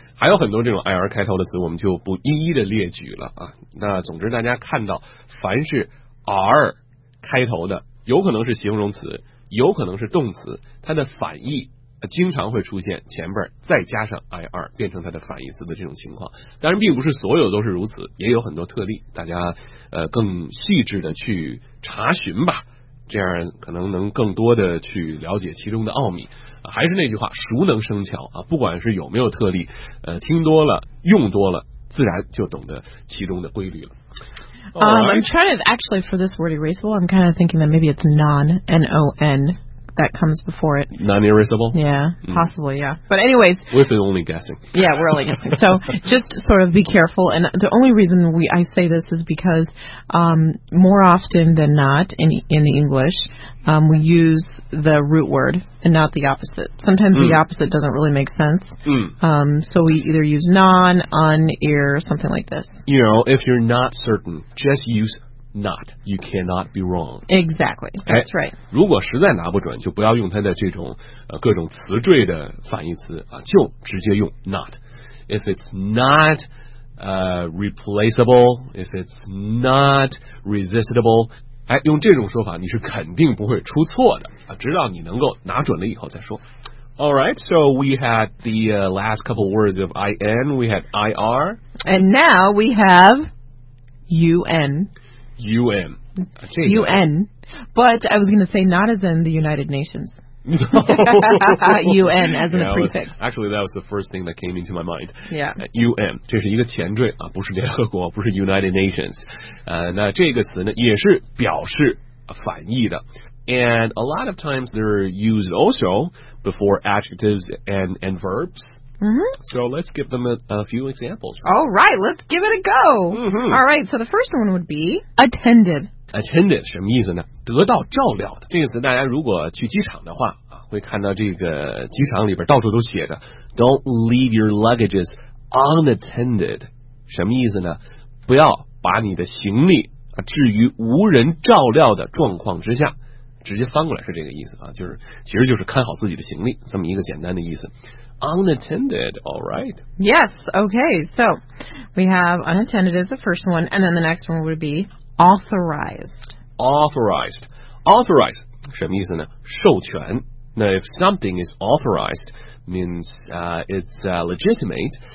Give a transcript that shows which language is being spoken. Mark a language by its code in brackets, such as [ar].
[zh] 还有很多这种 IR 开头的词我们就不一一的列举了、啊、那总之大家看到凡是 R 开头的有可能是形容词有可能是动词它的反义经常会出现前边再加上 IR 变成它的反义词的这种情况当然并不是所有都是如此也有很多特例大家更细致的去查询吧这样可能能更多的去了解其中的奥秘、啊、还是那句话熟能生巧啊，不管是有没有特例听多了用多了自然就懂得其中的规律了、 [en] right. I'm trying to actually for this word erasable I'm kind of thinking that maybe it's non N-O-N that comes before it. Non-erasable? Yeah, possibly, yeah. But anyways... We're only guessing. Yeah, we're only guessing. So just sort of be careful. And the only reason I say this is because more often than not in English, we use the root word and not the opposite. Sometimes the opposite doesn't really make sense. Mm. So we either use non, un, ir, something like this. You know, if you're not certain, just use not. You cannot be wrong. Exactly. That's right. [zh] 如果实在拿不准，就不要用它的这种各种词缀的反义词啊，就直接用 not. [en] If it's not replaceable, if it's not resistible. [zh] 哎，用这种说法你是肯定不会出错的啊，直到你能够拿准了以后再说。 [en] Alright, so we had the last couple words of IN, we had IR. And now we have UN. UN. UN. But I was going to say not as in the United Nations. No. UN as in the prefix. Actually, that was the first thing that came into my mind. Yeah. [zh] UN, 这是一个前缀啊，不是联合国，不是 United Nations. 那这个词呢，也是表示反义的。 [en] And a lot of times they're used also before adjectives and verbs. Mm-hmm. So let's give them a few examples. All right, let's give it a go. Mm-hmm. All right, so the first one would be attended. [zh] Attended 什么意思呢？得到照料的这个词，大家如果去机场的话啊，会看到这个机场里边到处都写着 [en] "Don't leave your luggages unattended"， [zh] 什么意思呢？不要把你的行李啊置于无人照料的状况之下，直接翻过来是这个意思啊，就是其实就是看好自己的行李这么一个简单的意思。 [en] Unattended, all right. Yes, okay. So we have unattended as the first one, and then the next one would be. Authorized. [zh] Authorized. Authorized. 什么意思呢？授权。 [en] Now, if something is authorized, means it's legitimate.